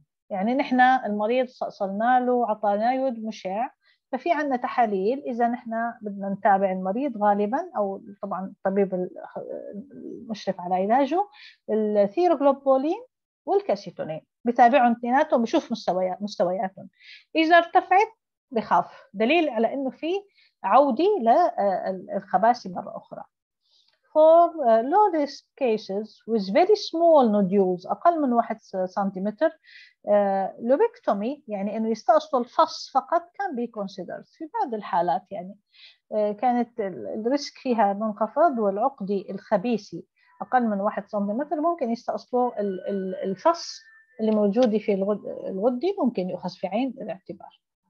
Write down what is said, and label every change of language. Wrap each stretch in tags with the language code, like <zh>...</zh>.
<ar>يعني نحن المريض استئصلنا له عطانا يود مشع، ففي عندنا تحاليل اذا نحن بدنا نتابع المريض غالبا او طبعا الطبيب المشرف على علاجه، الثيروغلوبولين والكاسيتونين بتابعهم اثنيناتهم بشوف مستوياتهم. اذا ارتفعت بخاف، دليل على انه في عوده للخباثه مره اخرى.</ar> <en>For low risk cases with very small nodules</en> <ar>أقل من 1 سنتيمتر</ar> <en>lobectomy</en> <ar>يعني إنه يستأصلوا الفص فقط</ar> <en>can be considered.</en> <ar>في بعض الحالات يعني كانت الريسك فيها منخفض والعقدي الخبيثي أقل من 1 سنتيمتر ممكن يستأصلوا الفص اللي موجود في الغدي، ممكن يؤخذ في عين الاعتبار.</ar>